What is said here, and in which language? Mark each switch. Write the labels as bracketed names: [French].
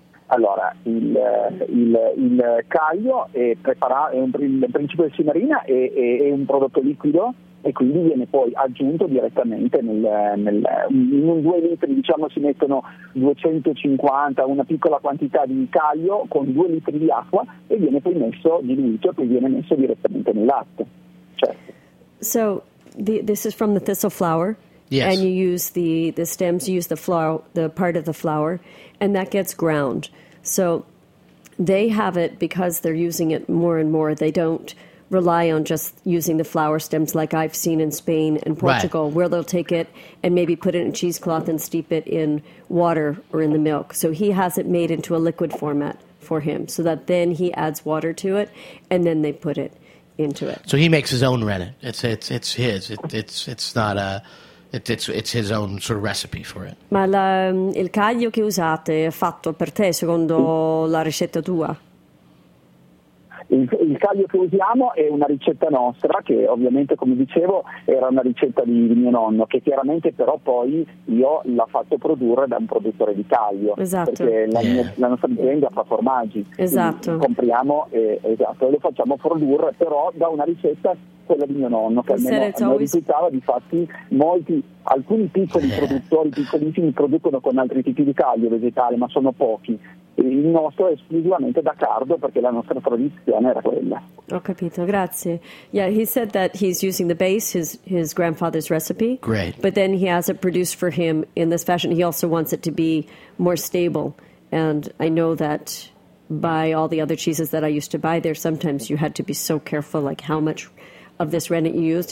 [Italian] Allora, il caglio è un principio di cinarina, è un prodotto liquido e quindi viene poi aggiunto direttamente in 2 litri, diciamo si mettono 250, una piccola quantità di caglio con 2 litri di acqua e viene poi messo, diluito, e poi viene messo direttamente nel latte. Certo. [English] So, this is from the thistle flower? Yes. And you use the stems, you use the flower, the part of the flower, and that gets ground. So they have it because they're using it more and more. They don't rely on just using the flower stems like I've seen in Spain and Portugal, right, where they'll take it and maybe put it in cheesecloth and steep it in water or in the milk. So he has it made into a liquid format for him so that then he adds water to it and then they put it into it. So he makes his own rennet. It's his. It's not a... It's his own sort of recipe for it. [Italian] Ma il caglio che usate è fatto per te secondo la ricetta tua? Il caglio che usiamo è una ricetta nostra, che ovviamente, come dicevo, era una ricetta di mio nonno, che chiaramente però poi io l'ho fatto produrre da un produttore di caglio. Esatto. Perché la nostra azienda fa formaggi. Esatto. Compriamo e lo facciamo produrre però da una ricetta, quella di mio nonno, che almeno mi risultava. Difatti alcuni piccoli produttori, piccolissimi, producono con altri tipi di caglio vegetale, ma sono pochi. Il nostro è esclusivamente da cardo perché la nostra tradizione era quella. Ho capito, grazie. [English] Yeah, he said that he's using the base, his grandfather's recipe. Great. But then he has it produced for him in this fashion. He also wants it to be more stable. And I know that by all the other cheeses that I used to buy there, sometimes you had to be so careful, like how much of this rennet you used.